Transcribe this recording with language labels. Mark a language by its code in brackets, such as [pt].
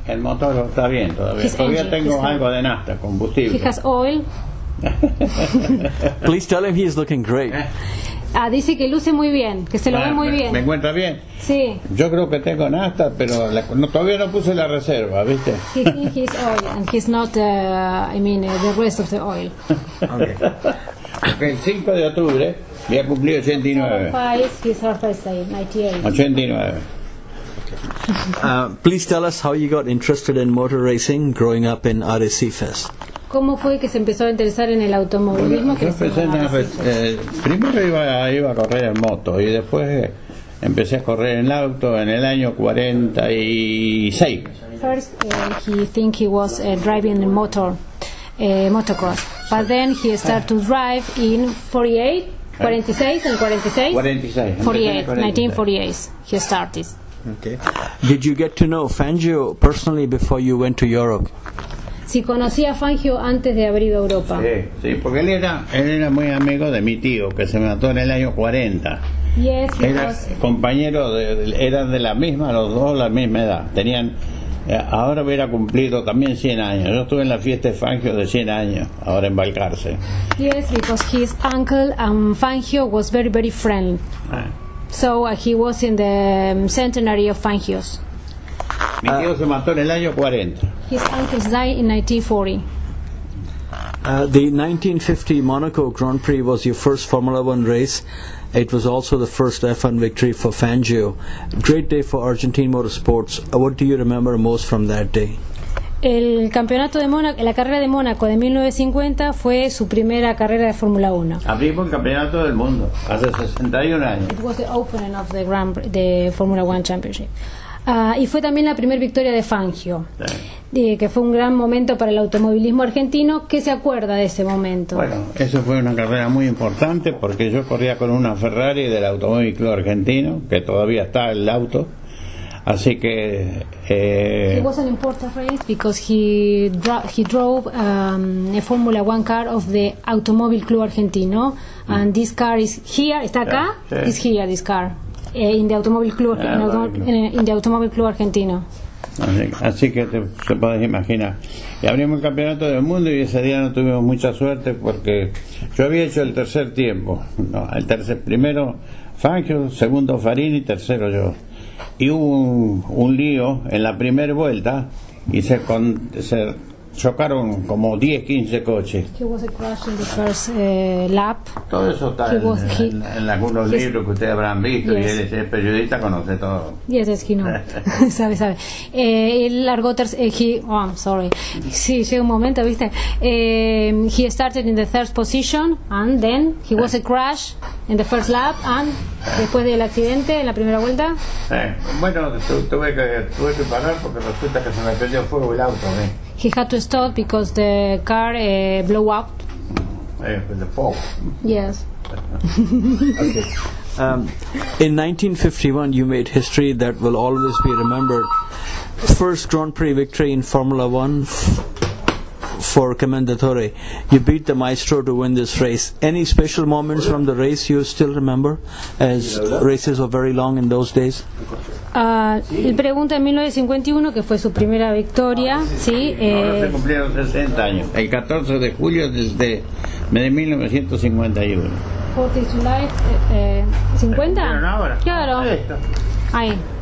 [es] El motor está bien todavía. [en] His [es] todavía [en] engine, [es] tengo algo de nafta, combustible. [en] He has oil. Please tell him he is looking great. [es] Ah, dice que luce muy bien, que se lo ve muy bien. ¿Me encuentra bien? Sí. Yo creo que tengo nafta, pero todavía no puse la reserva, ¿viste? [en] He has oil and he's not, the rest of the oil. [es] Okay. El 5 de octubre voy a cumplir 89. [en] His birthday, 89. Please tell us how you got interested in motor racing growing up in Arrecife. [es] ¿Cómo fue que se empezó a interesar en el automovilismo? Bueno, primero iba a correr en moto y después empecé a correr en auto en el año 46. [en] First he was driving a motor, motocross. But then he started to drive in 1948. He started. Okay. Did you get to know Fangio personally before you went to Europe? [es] Si conocía a Fangio antes de abrir Europa. Sí, sí, porque él era muy amigo de mi tío que se mató en el año 40. [en] Yes, [es] era compañero eran de la misma, los dos la misma edad. Tenían ahora hubiera cumplido también 100 años. Yo estuve en la fiesta de Fangio de 100 años ahora en Balcarce. [en] Yes, because his uncle Fangio was very very friendly. So he was in the centenary of Fangio's. [es] Mi tío se mató en el año 40. [en] His uncle died in 1940. The 1950 Monaco Grand Prix was your first Formula One race. It was also the first F1 victory for Fangio. Great day for Argentine motorsports. What do you remember most from that day? [es] El campeonato de Mónaco, la carrera de Mónaco de 1950 fue su primera carrera de Fórmula 1. Abrimos el campeonato del mundo hace 61 años. [en] It was the opening of the Formula One Championship. [es] Y fue también la primera victoria de Fangio. Sí. Que fue un gran momento para el automovilismo argentino. ¿Qué se acuerda de ese momento? Bueno, eso fue una carrera muy importante porque yo corría con una Ferrari del Automóvil Club Argentino, que todavía está el auto. Así que [en] it was an important race because he drove a Formula One car of the Automóvil Club Argentino. And this car is here, [es] está acá. Sí. [en] It's here, this car in the Automóvil Club Argentino. [es] Así que se puede imaginar. Y abrimos el campeonato del mundo y ese día no tuvimos mucha suerte porque yo había hecho el tercer tiempo. No, el tercer, primero Fangio, segundo Farini y tercero yo. Y hubo un lío en la primera vuelta y se chocaron como 10-15 coches. [en] He was a crash in the first lap. [es] Todo eso está en algunos libros que ustedes habrán visto. [en] Yes. [es] Y él es periodista, conoce todo. [en] Yes, yes, he knows. [es] sabe. Él largó Sí, llega un momento, ¿viste? [en] He started in the third position and then he was a crash in the first lap and [es] después del accidente en la primera vuelta. Bueno, tuve que parar porque resulta que se me prendió fuego el auto, ¿eh? [en] He had to stop because the car blew up. The fog. Yes. In 1951, you made history that will always be remembered. First Grand Prix victory in Formula One for Commendatore. You beat the maestro to win this race. Any special moments from the race you still remember, as races were very long in those days? [es] Él pregunta en 1951, que fue su primera victoria. Sí. Ahora se cumplieron 60 años. El 14 de julio de 1951. 4 de julio, 50? Ahora. Claro. Ahí.